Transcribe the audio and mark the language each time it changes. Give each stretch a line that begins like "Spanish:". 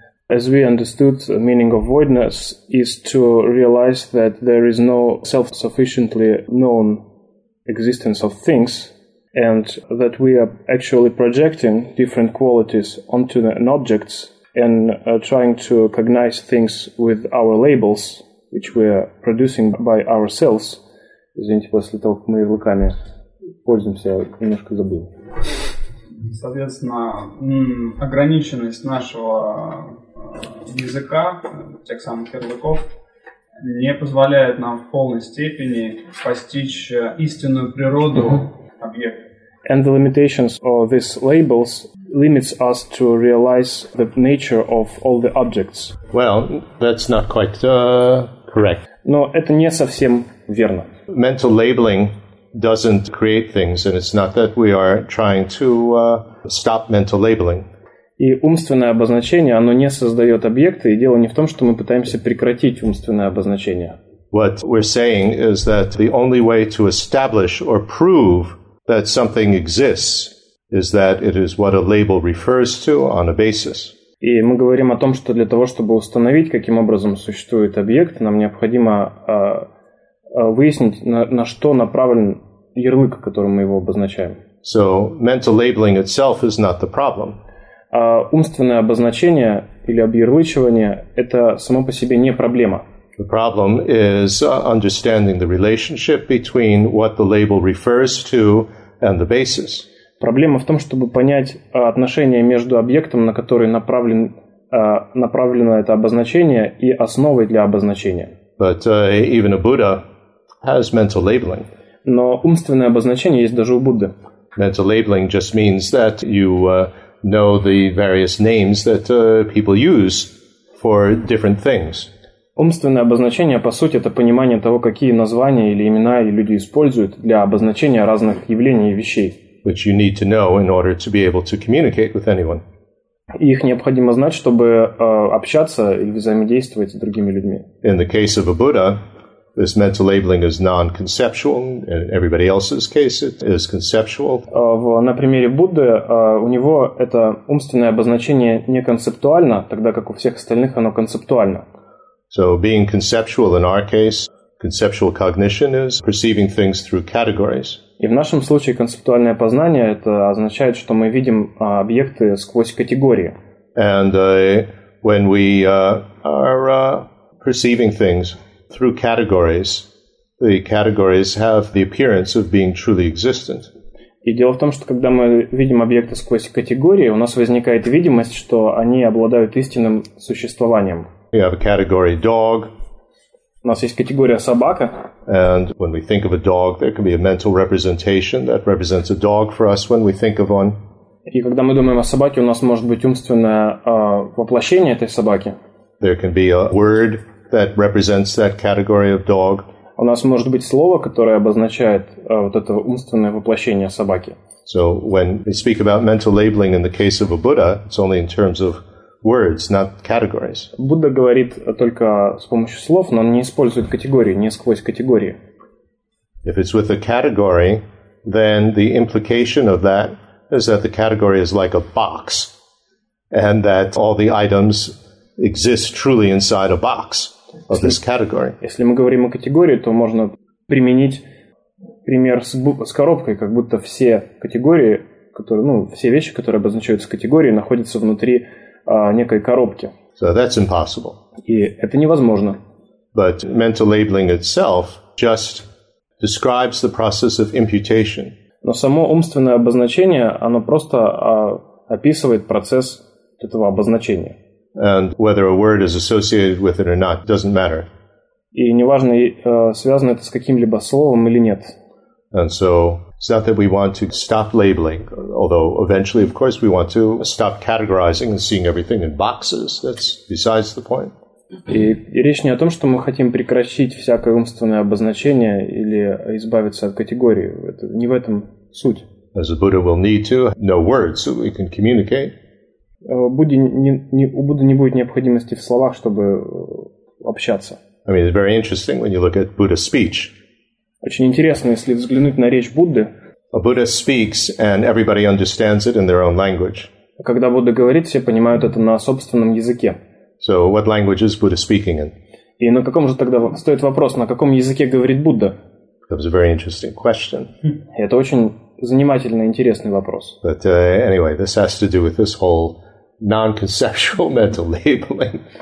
English: As we understood, the meaning of voidness is to realize that there is no self-sufficiently known existence of things, and that we are actually projecting different qualities onto an object and trying to cognize things with our labels, which we are producing by ourselves.
Russian: Извините, после того, как мы ярлыками пользуемся, я немножко забыл. Соответственно, ограниченность нашего языка, тех самых ярлыков, не позволяет нам в полной степени постичь истинную природу объекта.
English: And the limitations of these labels limits us to realize the nature of all the objects. Well, that's not quite correct.
Russian: Но это не совсем верно.
English: Mental labeling doesn't create things, and it's not that we are trying to stop mental labeling.
Russian: И умственное обозначение, оно не создает объекты, и дело не в том, что мы пытаемся прекратить умственное обозначение.
English: What we're saying is that the only way to establish or prove that something exists is that it is what a label refers to on a basis.
Russian: И мы говорим о том, что для того, чтобы установить, каким образом существует объект, нам необходимо выяснить, на что направлен ярлык, которым мы его обозначаем.
English: So, mental labeling itself is not the problem.
Russian: Умственное обозначение или объярлычивание – это само по себе не проблема.
English: The problem is understanding the relationship between what the label refers to and the basis.
Russian: Проблема в том, чтобы понять отношение между объектом, на который направлено это обозначение, и основой для обозначения.
English: But even a Buddha has mental labeling.
Russian: Но умственное обозначение есть даже у Будды.
English: Mental labeling just means that you know the various names that people use for different things.
Russian: Умственное обозначение, по сути, это понимание того, какие названия или имена люди используют для обозначения разных явлений и вещей.
English: Which you need to know in order to be able to communicate with anyone.
Russian: И их необходимо знать, чтобы общаться или взаимодействовать с другими людьми.
English: In the case of a Buddha, this mental labeling is non-conceptual. In everybody else's case, it is conceptual.
Russian: На примере Будды у него это умственное обозначение не концептуально, тогда как у всех остальных оно концептуально.
English: So being conceptual in our case, conceptual cognition is perceiving things through categories.
Russian: И в нашем случае концептуальное познание это означает, что мы видим объекты сквозь категории.
English: And when we are perceiving things through categories, the categories have the appearance of being truly existent.
Russian: И дело в том, что когда мы видим объекты сквозь категории, у нас возникает видимость, что они обладают истинным существованием.
English: We have a category dog.
Russian: У нас есть категория собака.
English: And when we think of a dog, there can be a mental representation that represents a dog for us when we think of one.
Russian: И когда мы думаем о собаке, у нас может быть умственное воплощение этой собаки.
English: There can be a word that represents that category of dog.
Russian: У нас может быть слово, которое обозначает вот это умственное воплощение собаки.
English: So when we speak about mental labeling in the case of a Buddha, it's only in terms of words, not categories.
Russian: Будда говорит только с помощью слов, но он не использует категории, не сквозь категории.
English: If it's with a category, then the implication of that is that the category is like a box, and that all the items exist truly inside a box of this category.
Russian: Если мы говорим о категории, то можно применить пример с коробкой, как будто все категории, которые, ну, все вещи, которые обозначаются категорией, находятся внутри некой коробки.
English: So that's impossible.
Russian: И это невозможно.
English: But mental labeling itself just describes the process of imputation.
Russian: Но само умственное обозначение, оно просто описывает процесс этого обозначения.
English: And whether a word is associated with it or not doesn't matter.
Russian: И неважно, связано это с каким-либо словом или нет.
English: And so it's not that we want to stop labeling, although eventually, of course, we want to stop categorizing and seeing everything in boxes. That's besides the point.
Russian: И речь не о том, что мы хотим прекратить всякое умственное обозначение или избавиться от категории. Это не в этом суть.
English: As a Buddha will need to know words so we can communicate.
Russian: У Будды не будет необходимости в словах, чтобы общаться.
English: I mean, it's very interesting when you look at Buddha's speech.
Russian: Очень интересно, если взглянуть на речь Будды.
English: A Buddha speaks and everybody understands it in their own language.
Russian: Когда Будда говорит, все понимают это на собственном языке.
English: So what language is Buddha speaking in?
Russian: И на каком же тогда стоит вопрос, на каком языке говорит Будда?
English: That was a very interesting question.
Russian: Это очень занимательный, интересный вопрос.
English: But anyway, this has to do with this whole non-conceptual mental labeling.